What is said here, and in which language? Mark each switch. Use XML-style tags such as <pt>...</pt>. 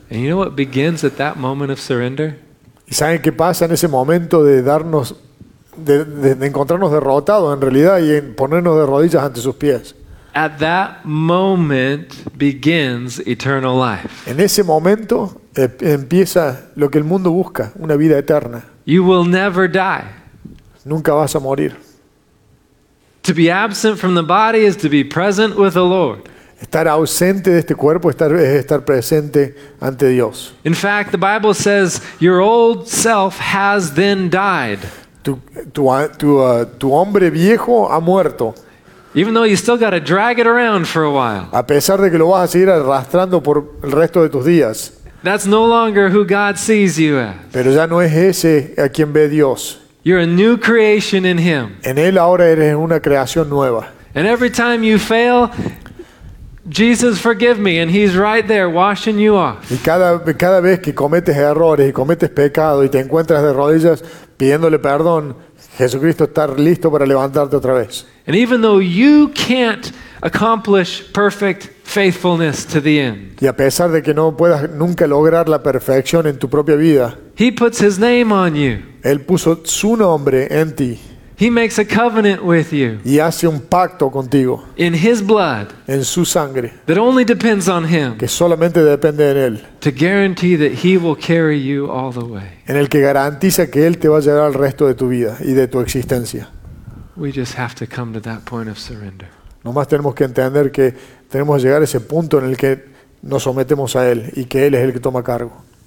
<en>And you know what begins at that moment of surrender?</en> <es>¿Y saben qué pasa en ese momento de darnos de encontrarnos derrotados en realidad y en ponernos de rodillas ante sus pies?</es> <en>At that moment begins eternal life.</en> <es>En ese momento empieza lo que el mundo busca, una vida eterna.</es> <en>You will never die.</en> <es>Nunca vas a morir.</es> <en>To be absent from the body is to be present with the Lord.</en> <es>Estar ausente de este cuerpo es estar presente ante Dios.</es> <en>In fact, the Bible says your old self has then died.</en> <es>Tu hombre viejo ha muerto.</es> <en>Even though you still got to drag it around for a while.</en> <es>A pesar de que lo vas a seguir arrastrando por el resto de tus días.</es> <en>That's no longer who God sees you as.</en> <es>Pero ya no es ese a quien ve Dios.</es> <en>You're a new creation in him.</en> <es>En él ahora eres una creación nueva.</es> <en>And every time you fail, Jesus, forgive me, and he's right there washing you off.</en> <es>Y cada vez que cometes errores y cometes pecado y te encuentras de rodillas pidiéndole perdón, Jesucristo está listo para levantarte otra vez.</es> <en>And even though you can't accomplish perfect faithfulness to the end.</en> <es>Y a pesar de que no puedas nunca lograr la perfección en tu propia vida.</es> <en>He puts his name on you.</en> <es>Él puso su nombre en ti.</es> <en>He makes a covenant with you.</en> <es>Y hace un pacto contigo.</es> <en>In his blood.</en> <es>En su sangre.</es> <en>That only depends on him.</en> <es>Que solamente depende en él.</es> <en>To guarantee that he will carry you all the way.</en> <es>En el que garantiza que él te va a llevar al resto de tu vida y de tu existencia.</es> <en>We just have to come to that point of surrender.</en> <es>Nomás tenemos que entender que tenemos que llegar a ese punto en el que nos sometemos a Él y que Él es el que toma cargo.</es>